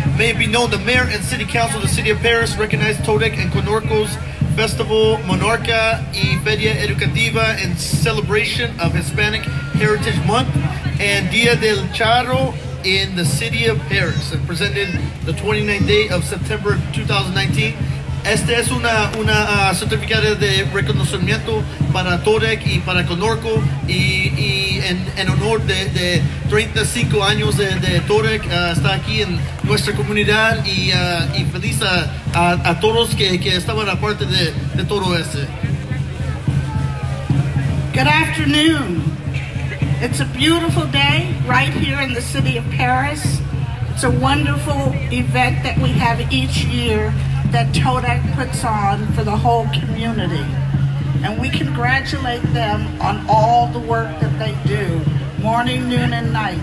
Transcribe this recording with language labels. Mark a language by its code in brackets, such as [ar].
[en] May it be known the mayor and city council of the city of Paris recognize Todek and Conorco's Festival Monarca y Feria Educativa in celebration of Hispanic Heritage Month and Dia del Charro in the city of Paris, and presented the 29th day of September 2019. [es] Este es una certificado de reconocimiento para Todek y para Conorco, y en honor de 35 años de Todek está aquí en nuestra comunidad, y feliz a todos que estaban aparte de todo este. [en] Good afternoon. It's a beautiful day right here in the city of Paris. It's a wonderful event that we have each year that Todek puts on for the whole community. And we congratulate them on all the work that they do, morning, noon, and night.